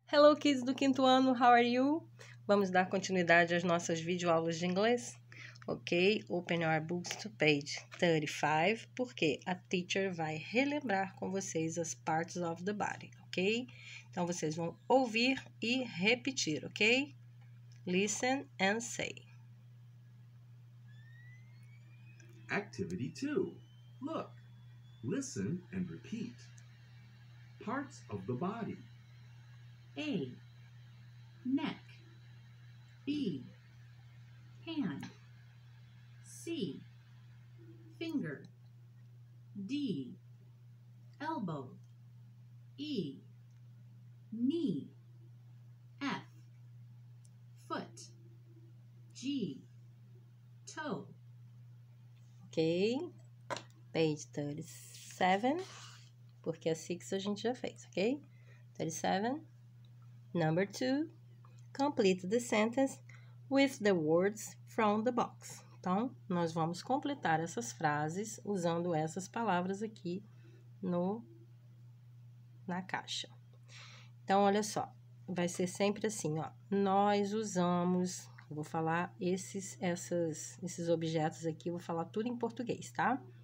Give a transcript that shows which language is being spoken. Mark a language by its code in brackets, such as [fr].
[en] Hello, kids [pt] do quinto ano, [en] how are you? [pt] Vamos dar continuidade às nossas videoaulas de inglês? Ok, [en] open your books to page 35, [pt] porque a teacher vai relembrar com vocês as [en] parts of the body, [pt] ok? Então, vocês vão ouvir e repetir, ok? [en] Listen and say. Activity 2. Look, listen and repeat. Parts of the body. A. Neck. B. Hand. C. Finger. D. Elbow. E. Knee. F. Foot. G. Toe. Ok. Page 37. [pt] Porque a 6 a gente já fez, ok? [en] 37. Number 2, complete the sentence with the words from the box. [pt] Então, nós vamos completar essas frases usando essas palavras aqui na caixa. Então, olha só, vai ser sempre assim, ó. Nós usamos, vou falar esses objetos aqui, vou falar tudo em português, tá?